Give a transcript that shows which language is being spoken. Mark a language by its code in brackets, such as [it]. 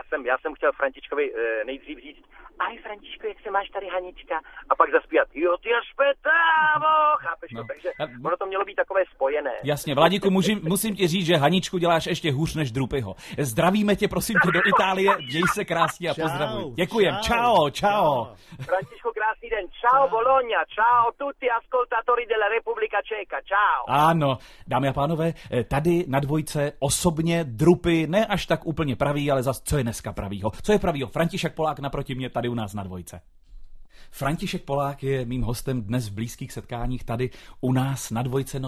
[cs] Já jsem chtěl Františkovi nejdřív říct: "Aj Františku, jak se máš tady, Hanička?" A pak zaspívat: "Jo, ty až petávo!" Chápeš to? Takže ono to mělo být takové spojené. Jasně, Vladíku, musím ti říct, že Haničku děláš ještě hůř než Drupyho. Zdravíme tě, prosím tě, do Itálie. Děj se krásně a pozdravuj. Děkujem. Čau. Františku, krásný den. Čau, Bologna. [it] Čau, tutti ascoltatori della Repubblica Ceca. [cs] Čau. Ano, dámy a pánové, tady na dvojce osobně Drupy, ne až tak úplně pravý, ale zas, co je dneska pravýho? Co je pravýho? František Polák naproti mě tady u nás na dvojce. František Polák je mým hostem dnes v Blízkých setkáních tady u nás na dvojce.